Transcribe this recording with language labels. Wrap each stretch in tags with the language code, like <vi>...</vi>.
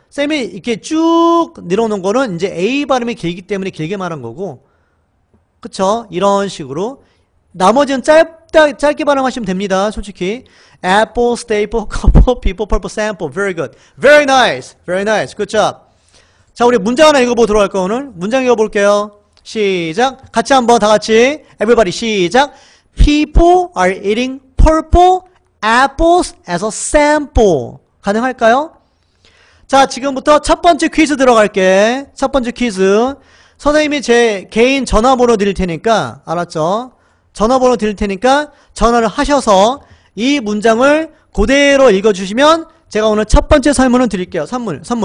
<ko>쌤이 이렇게 쭉 늘어놓은 거는 이제 A 발음이 길기 때문에 길게 말한 거고, 그쵸? 이런 식으로 나머지는 짧게 발음하시면 됩니다. 솔직히</ko> <en>apple, staple, couple, people, purple, sample. Very good. Very nice. Very nice. Good job.</en> <ko>자, 우리 문장 하나 읽어보도록 할까 오늘? 문장 읽어볼게요. 시작. 같이 한번 다 같이 everybody 시작.</ko> <en>People are eating purple apples as a sample.</en> <ko>가능할까요? 자, 지금부터 첫 번째 퀴즈 들어갈게. 첫 번째 퀴즈. 선생님이 제 개인 전화번호 드릴 테니까, 알았죠? 전화번호 드릴 테니까 전화를 하셔서 이 문장을 그대로 읽어주시면 제가 오늘 첫 번째 설문을 드릴게요. 선물.</ko>